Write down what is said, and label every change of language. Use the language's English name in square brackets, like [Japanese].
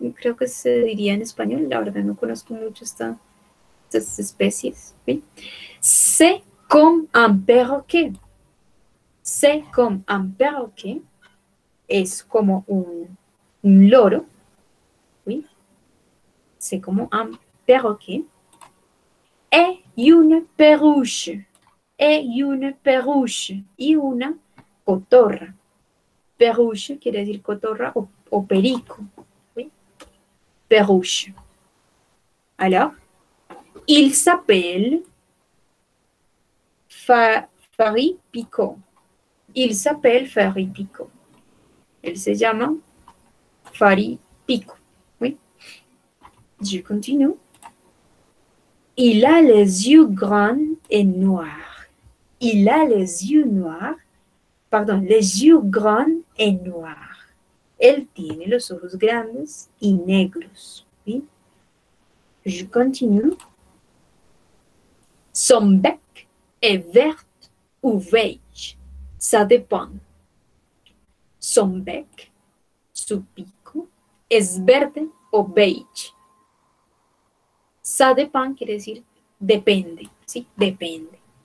[Spanish] Creo que se diría en español. La verdad no conozco mucho estas especies. ¿Sí? [French] C'est comme un perroquet. C'est comme un perroquet. [Spanish] Es como un loro. ¿Sí? [French] C'est comme un perroquet. Et une perruche. Et une perruche. [Spanish] Y una cotorra. Perruche quiere decir cotorra o perico. [French] Perruche. Alors, il s'appelle Fari Pico. Il s'appelle Fari Pico. [Spanish] Elle se llama Fari Pico. [French] Je continue. Il a les yeux grands et noirs. Il a les yeux noirs. Pardon, les yeux grands et noirs. [Spanish] Elle tiene los ojos grandes y negros. [French] ¿Sí? Je continue. Son bec est vert ou beige. Ça dépend. Son bec, [Spanish] su pico, es verde o beige. [French] Ça dépend [Spanish] quiere decir depende, ¿sí? Depende.